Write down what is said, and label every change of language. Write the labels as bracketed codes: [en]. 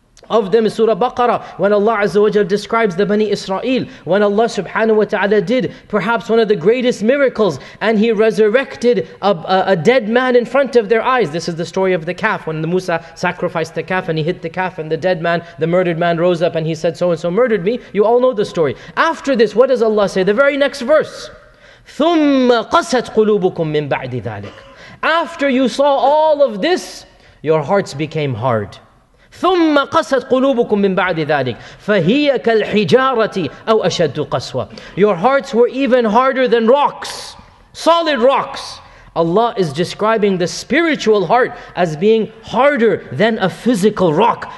[en] Of them is Surah Baqarah, when Allah Azza wa Jalla describes the Bani Israel, when Allah subhanahu wa ta'ala did perhaps one of the greatest miracles, and He resurrected a dead man in front of their eyes. This is the story of the calf, when the Musa sacrificed the calf and he hit the calf, and the dead man, the murdered man, rose up and he said, "So and so murdered me." You all know the story. After this, what does Allah say? The very next verse, [ar] ثُمَّ قَسَتْ قُلُوبُكُم مِّن بَعْدِ ذَلِكَ. [en] After you saw all of this, your hearts became hard. [ar] ثُمَّ قَسَتْ قُلُوبُكُمْ مِنْ بَعْدِ ذَلِكَ فَهِيَ كَالْحِجَارَةِ أَوْ أَشَدُّ قَسْوَةً. [en] Your hearts were even harder than rocks, solid rocks. Allah is describing the spiritual heart as being harder than a physical rock.